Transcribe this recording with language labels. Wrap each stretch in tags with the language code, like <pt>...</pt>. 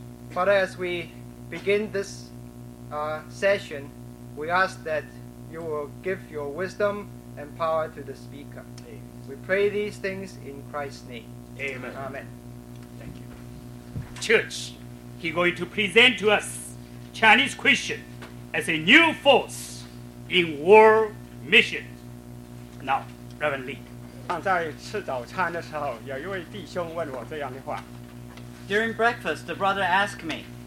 <en>Father, as we begin this session, we ask that you will give your wisdom and power to the speaker. Amen. We pray these things in Christ's name. Amen. Amen. Thank you. Church, he's going to present to us Chinese Christian as a new force in world mission. Now, Reverend Lee.</en> <zh>在吃早餐的时候，有一位弟兄问我这样的话。</zh> <en>During breakfast, the brother asked me.</en>